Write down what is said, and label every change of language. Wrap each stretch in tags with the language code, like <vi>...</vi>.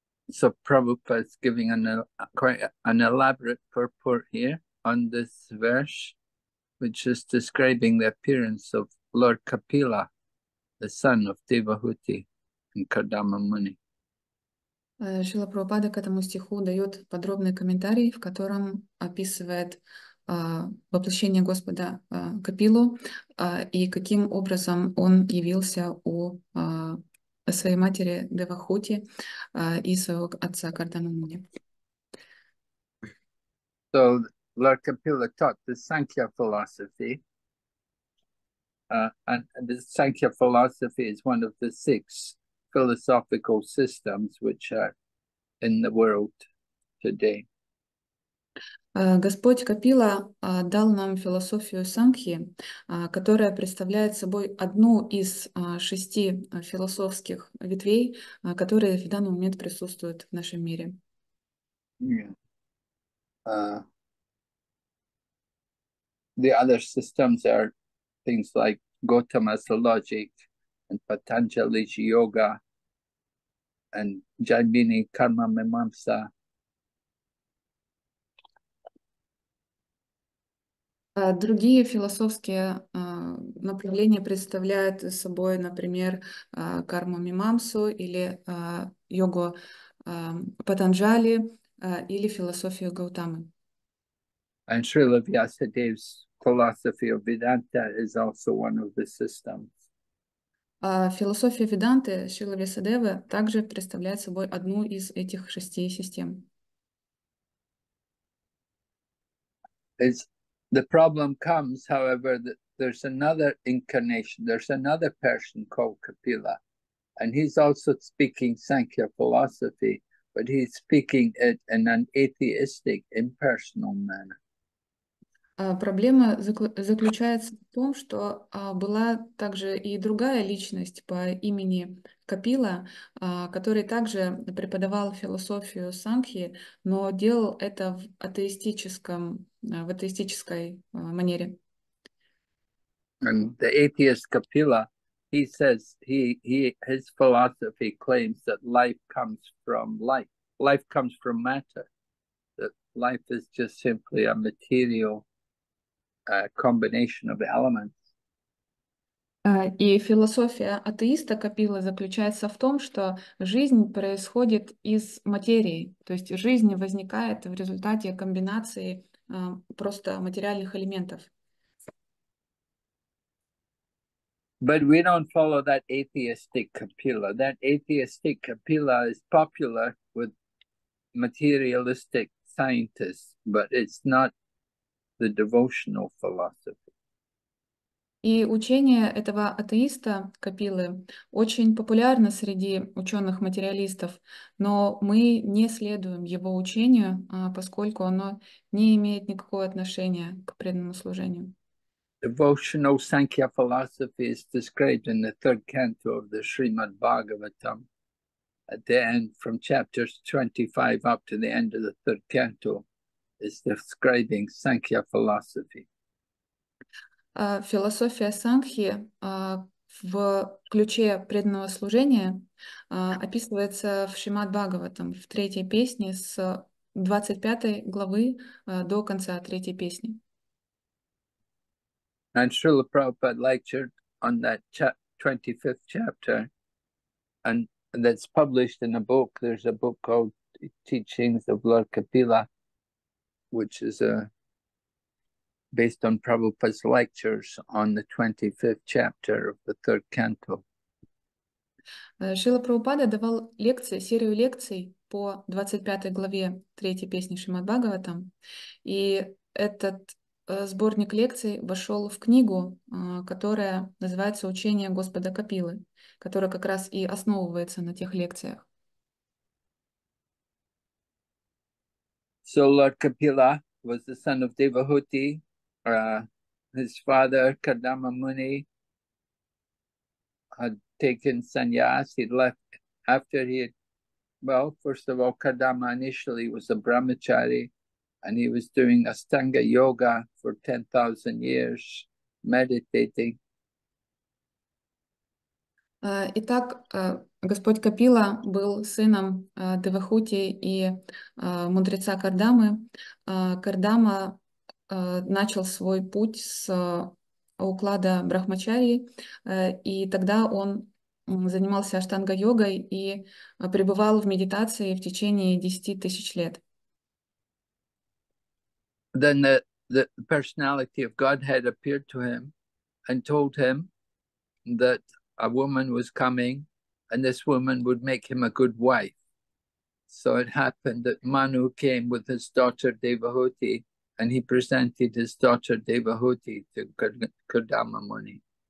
<en>So Prabhupada is giving quite an elaborate purport here on this verse, which is describing the appearance of Lord Kapila, the son of Devahuti and Kardama Muni.</en> <ru>Шрила Прабхупада к этому стиху дает подробный комментарий, в котором описывает воплощение Господа Капилу и каким образом он явился у своей матери Девахути и своего отца Кардамуни.</ru> <en>So Lord Kapila taught the Sankhya philosophy. And the Sankhya philosophy is one of the six philosophical systems which are in the world today.</en> <ru>Господь Капила дал нам философию Сангхи, которая представляет собой одну из шести философских ветвей, которые в данный момент присутствуют в нашем мире.</ru> <en>The other systems are things like Gautama's logic and Patanjali's yoga and Jaimini Karma Mimamsa.</en> <ru>Другие философские направления представляют собой, например, карму-мимамсу или йогу Патанджали или философию Гаутамы.</ru> <en>And Srila Vyasadeva's philosophy of Vedanta is also one of the systems.</en> <ru>Философия Веданты Шрилы Вьясадевы также представляет собой одну из этих шести систем.</ru> <en>It's, the problem comes, however, that there's another incarnation, there's another person called Kapila, and he's also speaking Sankhya philosophy, but he's speaking it in an atheistic, impersonal manner.</en> <ru>Проблема заключается в том, что была также и другая личность по имени Капила, который также преподавал философию Сангхи, но делал это в атеистической манере.</ru> <en>And the atheist Kapila, he says he his philosophy claims that life comes from light. Life comes from matter. That life is just simply a material combination of elements.</en> <ru>И философия атеиста Капилы заключается в том, что жизнь происходит из материи, то есть жизнь возникает в результате комбинации просто материальных элементов.</ru> <en>But we don't follow that atheistic Kapila. That atheistic Kapila is popular with materialistic scientists, but it's not the devotional philosophy.</en> <ru>И учение этого атеиста Капилы очень популярно среди ученых-материалистов, но мы не следуем его учению, поскольку оно не имеет никакого отношения к преданному служению.</ru> <en>Devotional Sankhya philosophy is described in the third canto of the Srimad Bhagavatam. At the end, from chapters 25 up to the end of the third canto, is describing Sankhya philosophy.</en> <ru>Философия Сангхи в ключе преданного служения описывается в Шримад-Бхагаватам, в третьей песне с 25 главы до конца третьей песни.</ru> <en>And Srila Prabhupada lectured on that 25th chapter, and that's published in a book. There's a book called Teachings of Lord Kapila, which is based on Prabhupada's lectures on the 25th chapter of the third canto.</en> <ru>Шрила Прабхупада давал лекции, серию лекций по 25 главе третьей песни Шримад-Бхагаватам, и этот сборник лекций вошел в книгу, которая называется «Учение Господа Капилы», которая как раз и основывается на тех лекциях.</ru> <en>So Lord Kapila was the son of Devahuti. His father, Kardama Muni, had taken sannyas. He left after he had, well, first of all, Kardama initially was a brahmachari and he was doing Astanga yoga for 10,000 years, meditating.</en> <ru>Итак, Господь Капила был сыном Девахути и мудреца Кардамы. Кардама начал свой путь с уклада брахмачарии, и тогда он занимался аштанга-йогой и пребывал в медитации в течение 10 тысяч лет.</ru> <en>Then the personality of Godhead appeared to him and told him that a woman was coming, and this woman would make him a good wife. So it happened that Manu came with his daughter Devahuti, and he presented his daughter Devahuti to Kardama Muni.</en>